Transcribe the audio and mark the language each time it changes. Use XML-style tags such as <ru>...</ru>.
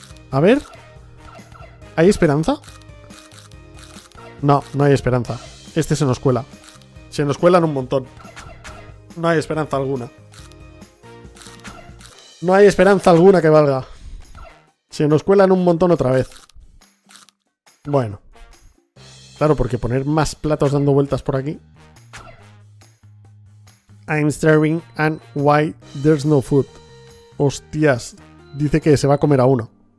<es>A ver. ¿Hay esperanza? No, no hay esperanza. Este se nos cuela. Se nos cuelan un montón. No hay esperanza alguna. No hay esperanza alguna que valga. Se nos cuelan un montón otra vez. Bueno. Claro, porque poner más platos dando vueltas por aquí.</es> <en>I'm starving and why there's no food.</en> <es>Hostias. Dice que se va a comer a uno.</es>